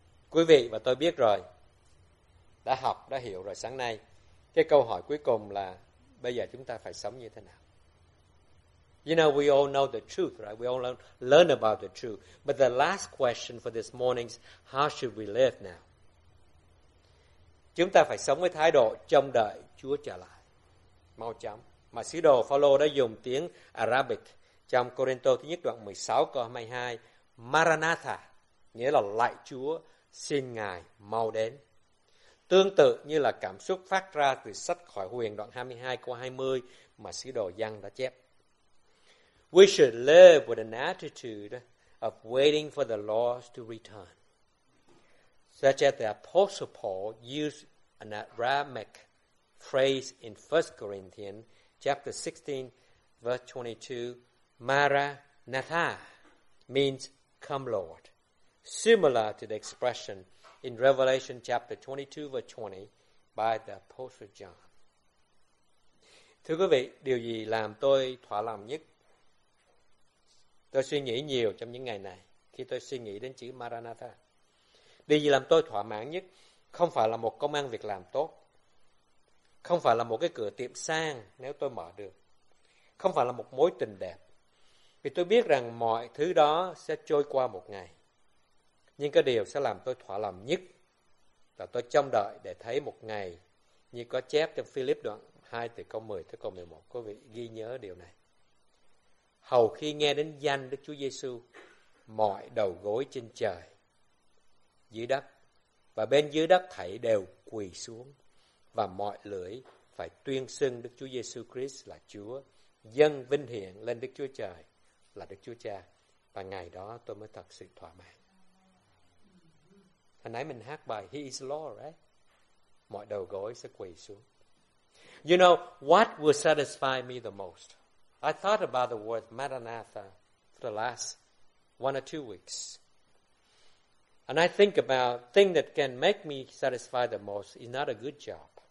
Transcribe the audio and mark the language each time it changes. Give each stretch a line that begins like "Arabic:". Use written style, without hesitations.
Vietnamese: Quý vị và tôi biết rồi, đã học, đã hiểu rồi sáng nay. Cái câu hỏi cuối cùng là bây giờ chúng ta phải sống như thế nào?
English: You know, we all know the truth, right? We all learn about the truth. But the last question for this morning is, how should we live now?
Vietnamese: Chúng ta phải sống với thái độ trông đợi Chúa trở lại mau chóng. Mà sứ đồ Phaolô đã dùng tiếng Arabic trong Corinto thứ nhất đoạn 16 câu 22, Maranatha, nghĩa là lạy Chúa, xin Ngài mau đến. Tương tự như là cảm xúc phát ra từ sách Khải Huyền đoạn 22 câu 20 mà sứ đồ Giăng đã chép.
English: We should live with an attitude of waiting for the Lord to return. Such as the Apostle Paul used an Aramaic phrase in 1 Corinthians chapter 16 verse 22, Maranatha means come Lord. Similar to the expression in Revelation chapter 22 verse 20 by the Apostle John.
Vietnamese: Thưa quý vị, điều gì làm tôi thỏa lòng nhất? Tôi suy nghĩ nhiều trong những ngày này khi tôi suy nghĩ đến chữ Maranatha. Điều gì làm tôi thỏa mãn nhất không phải là một công ăn việc làm tốt, không phải là một cái cửa tiệm sang nếu tôi mở được, không phải là một mối tình đẹp. Vì tôi biết rằng mọi thứ đó sẽ trôi qua một ngày. Nhưng cái điều sẽ làm tôi thỏa lòng nhất là tôi trông đợi để thấy một ngày như có chép trong Philip đoạn 2 từ câu 10 tới câu 11. Quý vị ghi nhớ điều này. Hầu khi nghe đến danh Đức Chúa Giêsu, mọi đầu gối trên trời, dưới đất và bên dưới đất thảy đều quỳ xuống, và mọi lưỡi phải tuyên xưng Đức Chúa Giêsu Christ là Chúa, dâng vinh hiển lên Đức Chúa Trời là Đức Chúa Cha. Và ngày đó tôi mới thật sự thỏa mãn. Hồi nãy mình hát bài
English: He is Lord, right?
Vietnamese: Mọi đầu gối sẽ quỳ xuống.
English: You know, what will satisfy me the most? I thought about the word Maranatha for the last 1 or 2 weeks. And I think about thing that can make me satisfy the most is not a good job.